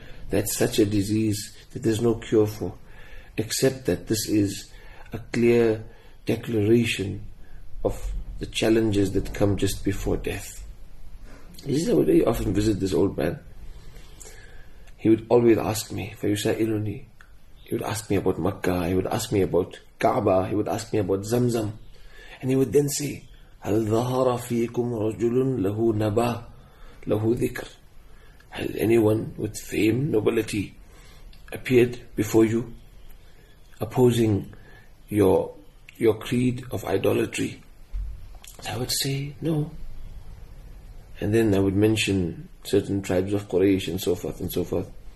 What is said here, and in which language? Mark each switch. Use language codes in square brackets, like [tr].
[en] That's such a disease that there's no cure for. Except that this is a clear declaration of the challenges that come just before death. He says, I would very often visit this old man. He would always ask me, [ar] فَيُسَائِلُنِي. [en] He would ask me about Makkah, he would ask me about Kaaba, he would ask me about Zamzam. And he would then say, [ar] هَلْ ظَهَرَ فِيكُمْ رَجُلٌ لَهُ نَبَى لَهُ ذِكْرٌ. [en] Has anyone with fame, nobility, appeared before you, opposing your creed of idolatry? I would say, no. And then I would mention certain tribes of Quraysh and so forth and so forth.